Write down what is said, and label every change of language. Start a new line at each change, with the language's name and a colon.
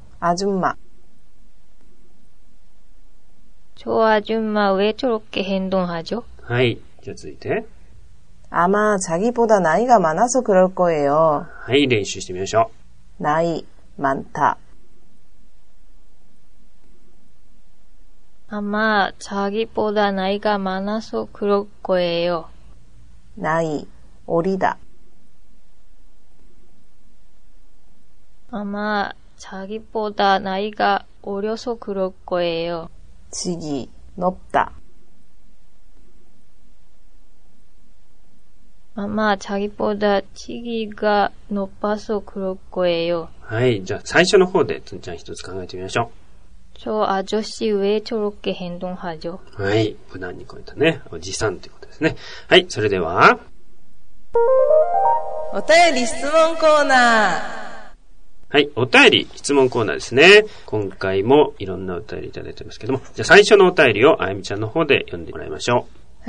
Korean: 아줌마 저아줌마왜저렇게행동하죠?
Japanese: はい、じゃあ続いて
Korean: 아마자기보다나이가많아서그럴거예요
Japanese: はい、練習してみましょう
Korean: 나이많다 아마 자기보다 나이가 많아서 그럴 거예요. 나이 어리다. 아마 자기보다 나이가 어려서 그럴 거예요. 지기 높다. 아마 자기보다 지기가 높아서 그럴 거예요.
Japanese: はい、じゃあ最初の方でつんちゃん一つ考えてみましょう。
Korean: 저 아저씨 왜 저렇게 행동하죠?
Japanese: はい、普段に超えたね、おじさんということですね。はい、それでは。お便り質問コーナー。はい、お便り質問コーナーですね。今回もいろんなお便りいただいてますけども、 じゃあ最初のお便りをあゆみちゃんの方で読んでもらいましょう。